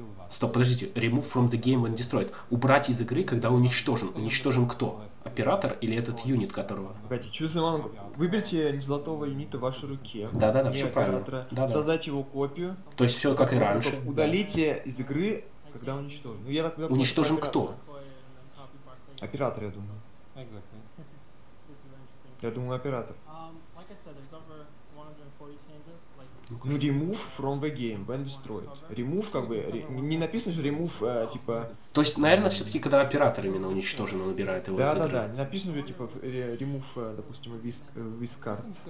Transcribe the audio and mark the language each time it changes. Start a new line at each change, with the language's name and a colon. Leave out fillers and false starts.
Russian: Стоп, подождите,
English: remove from the game when destroyed.
Russian: Убрать из игры, когда уничтожен. Уничтожен кто? Оператор или этот юнит, которого? Выберите золотого юнита в вашей руке. Да-да-да, все правильно. Да-да. Создать его копию. То есть все как и раньше. Удалите из игры, когда уничтожен. Уничтожен кто? Оператор, я думаю.
English: Exactly.
Russian: Я думаю, оператор.
English: Like I said, there's over 140 changes.
Russian: Ну,
English: remove from the game, when destroyed.
Russian: Remove, как бы, не написано же remove, типа... То есть, наверное, все-таки, когда оператор именно уничтожен, он убирает его да, из игры. Да-да-да, не написано же, типа, remove, допустим, viscard.